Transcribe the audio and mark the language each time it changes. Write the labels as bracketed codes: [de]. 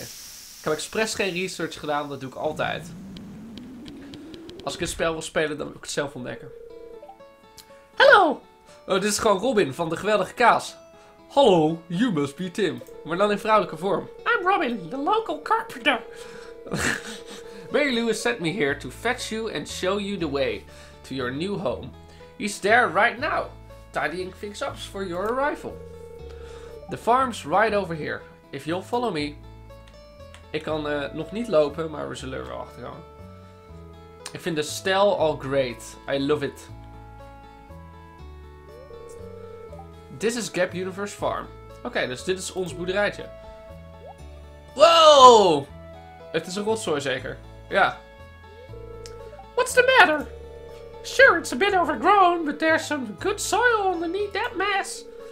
[nl] Ik heb expres geen research gedaan, dat doe ik altijd. Als ik een spel wil spelen, dan wil ik het zelf ontdekken. Hallo! Oh, dit is gewoon Robin van de Geweldige Kaas. Hallo, [en] you must be Tim. [nl] Maar dan in vrouwelijke vorm. [en] I'm Robin, the local carpenter. Mary Lewis sent me here to fetch you and show you the way to your new home. He's there right now, tidying things up for your arrival. The farm's right over here. If you'll follow me. [nl] Ik kan nog niet lopen, maar we zullen er wel achter gaan. Ik vind de stijl al great. [en] I love it. This is Gap Universe Farm. [nl] Oké, dus dit is ons boerderijtje. Wow! Het is een rotzooi zeker. Ja. [en] What's the matter? Sure, it's a bit overgrown, but there's some good soil underneath that mess.